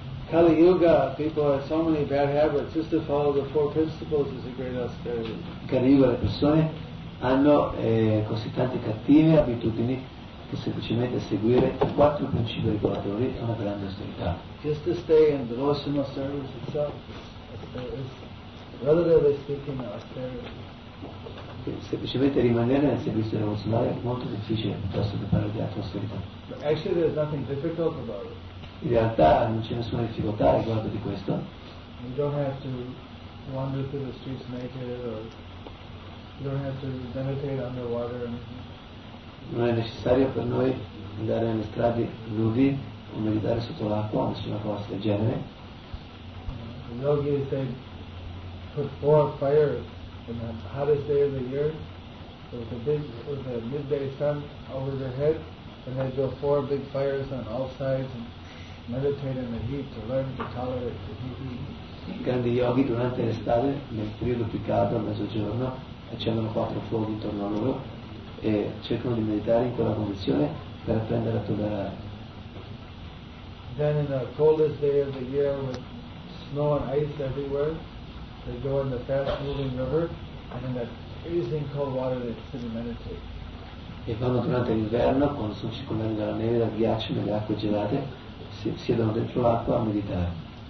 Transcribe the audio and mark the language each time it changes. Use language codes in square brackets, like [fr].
[en] Kali Yuga, people have so many bad habits. Just to follow the four principles is a great austerity. [it] Kali Yuga, le persone hanno così tante cattive abitudini che semplicemente seguire i quattro principi regolatori è una grande austerità. [en] Just to stay in devotional service itself is, relatively speaking, austerity. [it] Semplicemente rimanere nel servizio devozionale è molto difficile piuttosto che parlare di altre austerità. [en] But actually, there's nothing difficult about it. [it] In realtà non c'è nessuna difficoltà riguardo di questo. [en] You don't have to wander through the streets naked, or you don't have to meditate underwater. [it] Non è necessario per noi andare nelle strade nudi o meditare sotto l'acqua, nessuna cosa del genere. [en] The yogis, they put forth fire on the hottest day of the year with a big, with a midday sun over their head, and they build four big fires on all sides and meditate in the heat to learn to tolerate the heat. [it] I grandi yogi durante l'estate, nel periodo più caldo, al mezzogiorno, accendono quattro fuochi intorno a loro e cercano di meditare in quella condizione per apprendere a tollerare. [en] Then in the coldest day of the year with snow and ice everywhere, they go in the fast moving river and in that freezing cold water they sit and meditate. [it] E vanno durante l'inverno, quando sono circondati dalla neve, dal ghiaccio, nelle acque gelate, siedono dentro l'acqua a meditare.